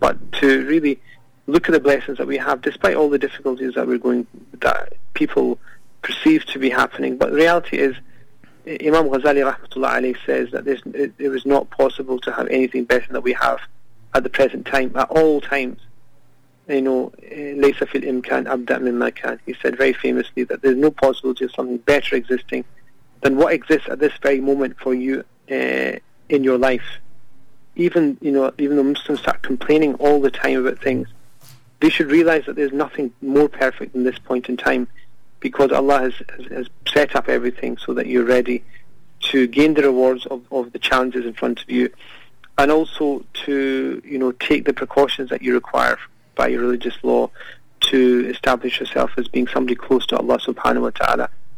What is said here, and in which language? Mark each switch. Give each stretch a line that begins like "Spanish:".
English: But to really look at the blessings that we have, despite all the difficulties that we're going, that people perceive to be happening. But the reality is, Imam Ghazali rahmatullah alayhi says that it was not possible to have anything better than we have at the present time, at all times. You know,
Arabic: لَيْسَ فِي الْإِمْكَانِ أَبْدَأْ مِمَّا كَانِ.
English: He said very famously that there's no possibility of something better existing than what exists at this very moment for you in your life. Even, you know, even though Muslims start complaining all the time about things, they should realize that there's nothing more perfect than this point in time, because Allah has set up everything so that you're ready to gain the rewards of the challenges in front of you, and also to, you know, take the precautions that you require by your religious law to establish yourself as being somebody close to Allah subhanahu wa ta'ala.